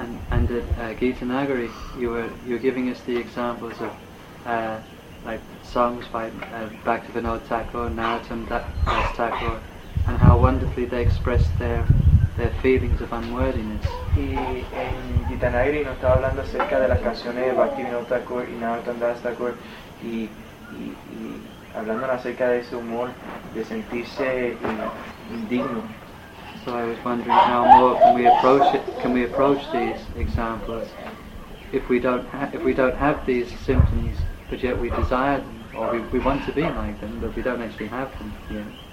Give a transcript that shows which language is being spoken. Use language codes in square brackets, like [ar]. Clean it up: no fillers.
[en] And at Gita Nagari, you're giving us the examples of like songs by Bhaktivinoda Thakur, Narottam Das Thakur, and how wonderfully they expressed their feelings of unworthiness. [es] Y en Gita Nagari nos estaba hablando acerca de las canciones de Bhaktivinoda Thakur y Narottam Das Thakur y hablando acerca de ese humor de sentirse indigno. [en] So I was wondering how more can we approach these examples if we don't have these symptoms but yet we desire them or we want to be like them but we don't actually have them yet.